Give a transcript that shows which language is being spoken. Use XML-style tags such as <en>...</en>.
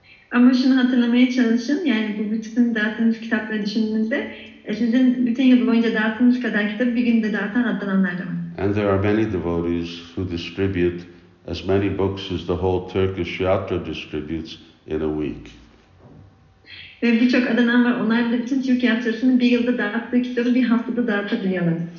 <tr>Ama şunu hatırlamaya çalışın, yani bu bütün dağıttığınız kitapları düşündüğünüzde, sizin bütün yıl boyunca dağıttığınız kadar kitap bir günde dağıtan adlananlar da var.</tr> <en>And there are many devotees who distribute as many books as the whole Turkish yatra distributes in a week.</en> <tr>Ve birçok adanan var. Onlar bile bütün Türk yatırısının bir yılda dağıttığı kitabı bir haftada dağıtabiliyorlar.</tr>